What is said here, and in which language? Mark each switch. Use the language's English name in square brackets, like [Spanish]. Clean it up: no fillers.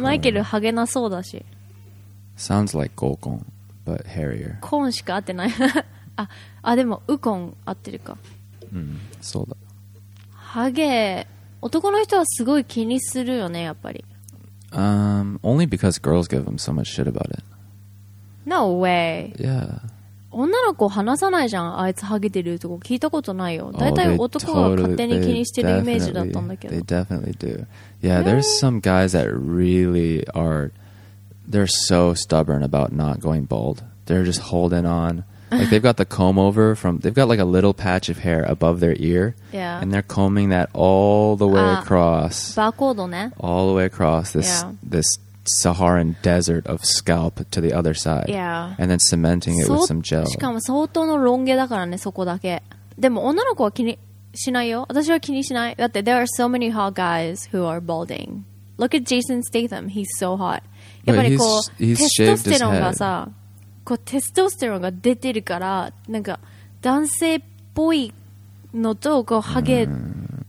[Japanese] マイケルハゲなそうだし。 [English] Sounds like 毛根, but hairier. [Japanese] 根しか合ってない。あ、でもウコン合ってるか。そうだ。 Hage. 男の人はすごい気にするよね、やっぱり。 [English] Only because girls give them so much shit about it. No way. Yeah. [Japanese] 女の子話さないじゃん、あいつハゲてるとか聞いたことないよ。大体男は勝手に気にしてるイメージだったんだけど。 [English] They definitely do. Yeah, there's some guys that really are, they're so stubborn about not going bald. They're just holding on. Like they've got the comb over from, they've got like a little patch of hair above their ear. Yeah. And they're combing that all the way across. Barcode, ne? All the way across this, yeah. this Saharan desert of scalp to the other side. Yeah. And then cementing it with some gel. [Japanese] しかも相当のロン毛だからね、そこだけ。でも女の子は気にしないよ。私は気にしない。 [English] だって there are so many hot guys who are balding. Look at Jason Statham. He's so hot. [Japanese] やっぱりこう、 [English] he's shaved his head. [Japanese] こうテストステロンが出てるからなんか男性っぽいのとこうハゲ、mm.